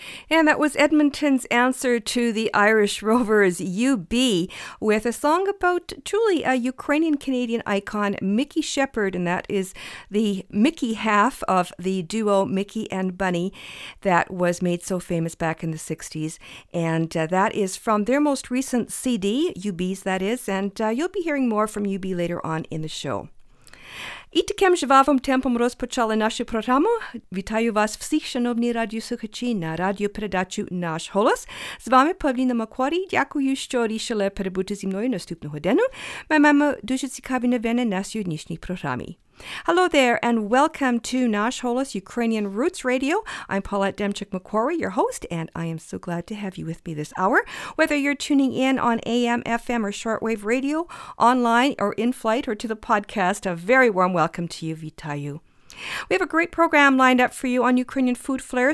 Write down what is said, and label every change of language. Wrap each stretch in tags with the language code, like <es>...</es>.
<en>And that was Edmonton's answer to the Irish Rovers' UB with a song about truly a Ukrainian-Canadian icon, Mickey Shepherd, and that is the Mickey half of the duo Mickey and Bunny that was made so famous back in the 60s. And that is from their most recent CD, UB's that is, and you'll be hearing more from UB later on in the show.</en> <uk>І таким живавим темпом розпочали нашу програму. Вітаю вас всіх, шановні радіослухачі, на радіопередачу «Наш голос». З вами Павліна Макварі. Дякую, що рішили перебути зі мною наступну годину. Ми маємо дуже цікаві новини на сьогоднішній програмі.</uk> <en>Hello there, and welcome to Nash Holos Ukrainian Roots Radio. I'm Paulette Demchuk-McQuarrie, your host, and I am so glad to have you with me this hour. Whether you're tuning in on AM, FM, or shortwave radio, online, or in flight, or to the podcast, a very warm welcome to you, Vitayu. We have a great program lined up for you on Ukrainian Food Flair.</en>